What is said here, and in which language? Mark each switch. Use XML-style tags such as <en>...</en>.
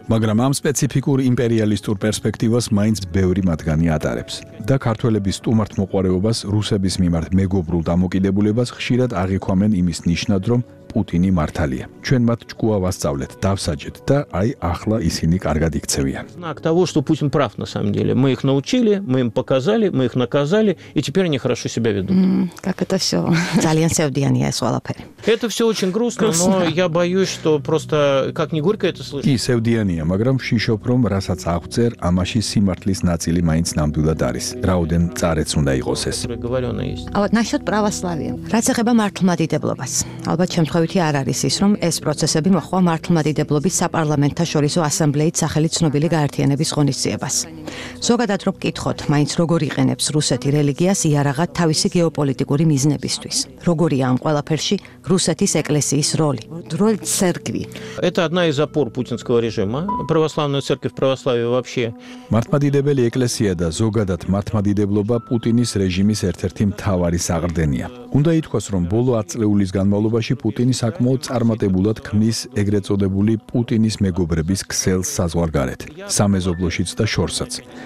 <ka>მაგრამ ამ სპეციფიკურ იმპერიალისტურ პერსპექტივას მაინც ბევრი მათგანი ატარებს. და ქართველების სტუმართ მოყვარეობას, რუსების მიმართ მეგობრულ დამოკიდებულებას ხშირად აღიქვამენ იმის ნიშნად, რომ პუტინი მართალია. ჩვენ მათ ჭკუა ვასწავლეთ, დავსაჯეთ და აი ახლა ისინი კარგად იქცევიან.</ka> <ru>Знак того, что Путин прав на самом деле. Мы их научили, мы им показали, мы их наказали, и теперь они хорошо себя ведут. Как это всё?</ru> <ka>Ძალიან სევდიანია ეს ყველაფერი.</ka> <ru>Это всё очень грустно, но я боюсь, что просто как не горько это слышать.</ru> <ka>И სევდიანია, მაგრამ შიშობ, რომ რასაც აღწერ, ამაში სიმართლის ნაწილი მაინც ნამდვილად არის. რაოდენ წარეც უნდა იყოს ეს.</ka> <ru>А вот насчёт православия.</ru> <ka>Раз ეხება მართლმადიდებლობას. Албат შემთხვევითი არ არის ის, რომ ეს პროცესები მოხვა მართლმადიდებლობის საპარლამენტო შორისო ასამბლეის სახელით ცნობილი გაერთიანების ღონისძიებას. ზოგადად რო გკითხოთ, მაინც როგორ იყენებს რუსეთი რელიგიას იარაღად თავისი გეოპოლიტიკური მიზნებისთვის? როგორია ამ ყველაფერში რუსეთის ეკლესიის როლი?</ka> <ru>Роль церкви. Это одна из опор путинского режима. Православная церковь, православие вообще.</ru> <ka>მართლმადიდებელი ეკლესია და ზოგადად მართლმადიდებლობა პუტინის რეჟიმის ერთ-ერთი მთავარი საყრდენია. უნდა ითქვას, რომ ბოლო ათწლეულის განმავლობაში პუტინი საკმაოდ წარმატებულად ქმნის ეგრეთ წოდებული პუტინის მეგობრების ქსელს საზღვარგარეთ, სამეზობლოშიც და შორსაც.</ka>